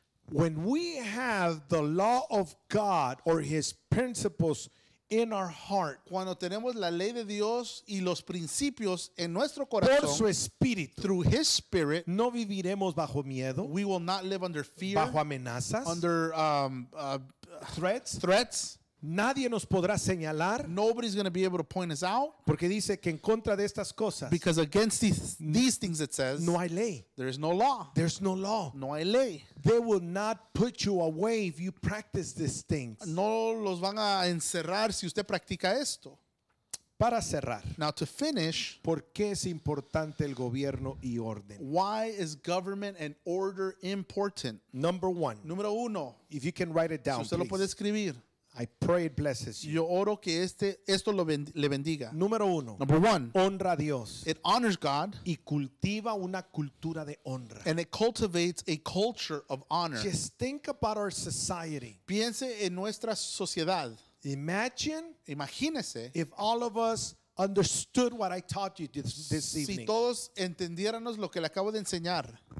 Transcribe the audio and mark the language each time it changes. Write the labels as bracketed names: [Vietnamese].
[English] When we have the law of God or His principles in our heart, [Spanish] cuando tenemos la ley de Dios y los principios en nuestro corazón, por su espíritu, [English] through His Spirit, [Spanish] no viviremos bajo miedo, [English] we will not live under fear, [Spanish] bajo amenazas, [English] under threats. [Spanish] Nadie nos podrá señalar. [English] Nobody's going to be able to point us out. [Spanish] Porque dice que en contra de estas cosas. [English] Because against these things it says. [Spanish] No hay ley. [English] There is no law. There's no law. [Spanish] No hay ley. [English] They will not put you away if you practice these things. [Spanish] No los van a encerrar si usted practica esto. Para cerrar. [English] Now to finish. [Spanish] ¿Por qué es importante el gobierno y orden? [English] Why is government and order important? Number one. [Spanish] Número uno. [English] If you can write it down, [Spanish] si usted [English] please. [Spanish] Lo puede escribir. [English] I pray it blesses you. [Spanish] Yo oro que esto le bendiga. Número uno. [English] Number one. [Spanish] Honra a Dios. [English] It honors God. [Spanish] Y cultiva una cultura de honra. [English] And it cultivates a culture of honor. Just think about our society. [Spanish] Piense en nuestra sociedad. Imagínese. [English] If all of us understood what I taught you this evening. [Spanish] Si todos entendiéramos lo que le acabo de enseñar.